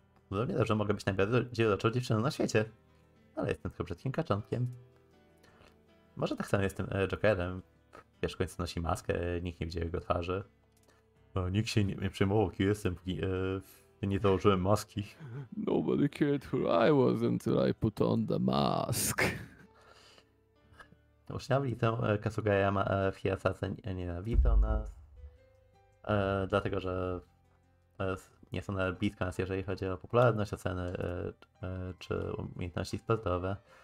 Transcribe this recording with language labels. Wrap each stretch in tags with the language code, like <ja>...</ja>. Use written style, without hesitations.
<pl>Zrobię dobrze, mogę być najbardziej uroczą dziewczyną na świecie. Ale jestem tylko brzydkim kaczątkiem. Może tak samo jestem Jokerem. Wiesz, w końcu nosi maskę, nikt nie widział jego twarzy. A nikt się nie przejmował, kim jestem, nie założyłem maski.</pl> <en>Nobody cared who I was until I put on the mask.</en> <pl>Uczniowie tę Kasugayama w Hiyasace nienawidzą nas. Dlatego, że nie są nawet blisko nas, jeżeli chodzi o popularność, oceny czy umiejętności sportowe.</pl>